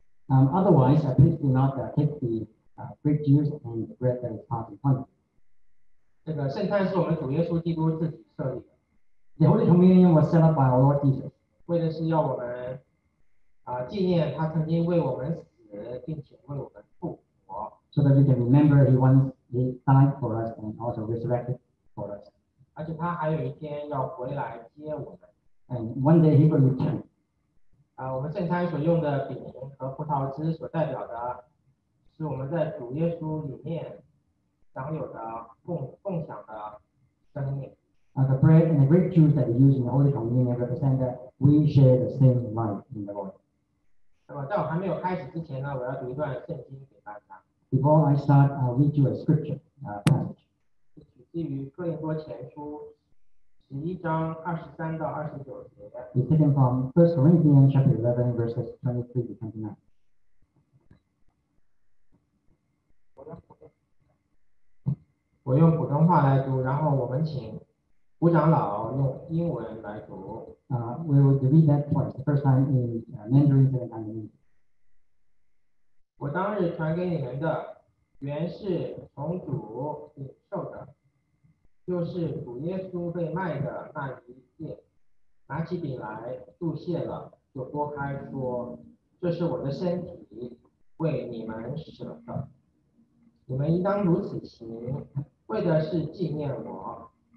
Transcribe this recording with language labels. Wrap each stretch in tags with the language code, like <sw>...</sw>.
<en>Otherwise, please do not take the grape juice and the bread that is part of it.</en> <zh>这个圣餐是我们主耶稣基督自己设立的。</zh> <en>The Holy Communion was set up by our Lord Jesus.</en> <zh>为的是要我们纪念他曾经为我们死，并且为我们复活。</zh> <en>So that we can remember he once he died for us and also resurrected for us.</en> <zh>而且他还有一天要回来接我们。</zh> <en>And one day he will return.</en> <zh>我们圣餐所用的饼和葡萄汁所代表的是我们在主耶稣里面享有的共享的生命。</zh> <en>The bread and the grape juice that we use in the Holy Communion represent that we share the same life in the Lord.</en> <zh>那么在我还没有开始之前呢，我要读一段圣经给大家。</zh> <en>Before I start, I'll read you a scripture passage.</en> <zh>取自于哥林多前书十一章二十三到二十九节。</zh> <en>It's taken from 1 Corinthians chapter 11, verses 23 to 29.</en> <zh>我用普通话来读，然后我们请吴长老用英文来读。</zh> <en>We will read that twice. The first time in Mandarin, second time in English.</en> <zh>我当日传给你们的原是从主领受的，就是主耶稣被卖的那一夜，拿起饼来祝谢了，就拨开说，这是我的身体为你们舍的，你们应当如此行，为的是纪念我。</zh>